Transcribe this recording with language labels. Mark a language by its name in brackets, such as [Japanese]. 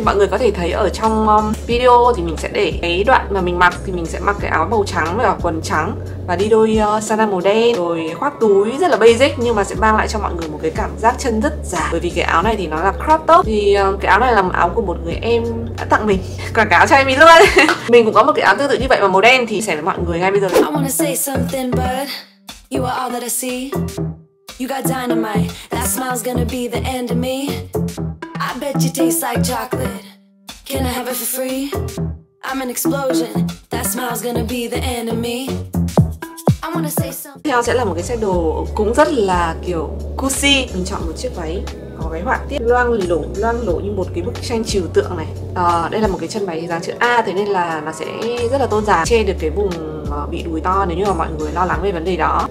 [Vietnamese] Mọi người có thể thấy ở trong video thì mình sẽ để cái đoạn mà mình mặc, thì mình sẽ mặc cái áo màu trắng và quần trắng và đi đôi sandal màu đen rồi khoác túi rất là basic, nhưng mà sẽ mang lại cho mọi người một cái cảm giác chân rất giả, bởi vì cái áo này thì nó là crop top. Thì cái áo này là áo của một người em đã tặng mình, quảng cáo cho em mình luôn. Mình cũng có một cái áo tương tự như vậy mà màu đen, thì sẽ với mọi người ngay bây giờ. [English] I wanna say something, but you are all that I see. You got dynamite, that smile's gonna be the end of me. I bet you taste like chocolate, can I have it for free? I'm an explosion, that smile's gonna be the end of me. [Vietnamese] Theo sẽ là một cái set đồ cũng rất là kiểu cushy. Mình chọn một chiếc váy có cái họa tiết loang lổ như một cái bức tranh trừu tượng này. Đây là một cái chân váy dáng chữ A, thế nên là nó sẽ rất là tôn dáng, che được cái vùng bị đùi to nếu như mà mọi người lo lắng về vấn đề đó.